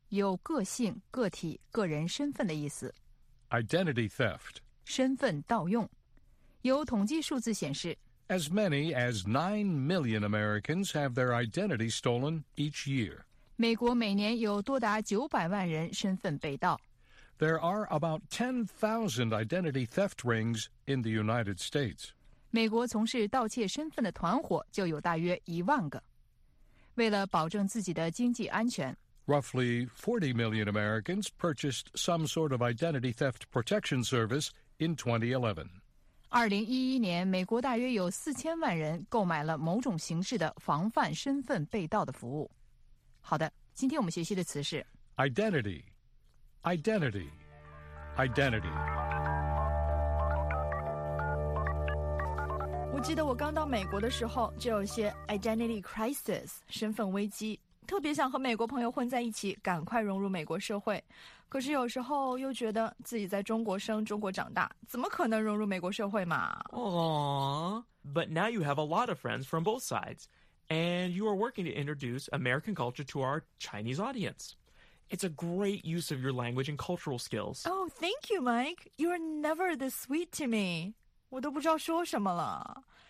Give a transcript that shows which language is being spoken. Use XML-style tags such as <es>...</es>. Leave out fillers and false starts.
<zh>有个性、个体、个人身份的意思。</zh> <en>Identity theft.</en> <zh>身份盗用。有统计数字显示</zh> <en>，As many as 9 million Americans have their identity stolen each year.</en> <zh>美国每年有多达900万人身份被盗。</zh> <en>There are about 10,000 identity theft rings in the United States.</en> <zh>美国从事盗窃身份的团伙就有大约10,000个。为了保证自己的经济安全。</zh> <en>Roughly 40 million Americans purchased some sort of identity theft protection service in 2011.</en> <zh>2011年，美国大约有4000万人购买了某种形式的防范身份被盗的服务。好的，今天我们学习的词是</zh> <en>identity, identity, identity。</en> <zh>我记得我刚到美国的时候，就有些</zh> <en>identity crisis,</en> <zh>身份危机，特别想和美国朋友混在一起，赶快融入美国社会。可是有时候又觉得自己在中国生、中国长大，怎么可能融入美国社会嘛？</zh> <en>哦 ，But now you have a lot of friends from both sides, and you are working to introduce American culture to our Chinese audience. It's a great use of your language and cultural skills. Oh, thank you, Mike. You are never this sweet to me.</en> <zh>我都不知道说什么了。</zh>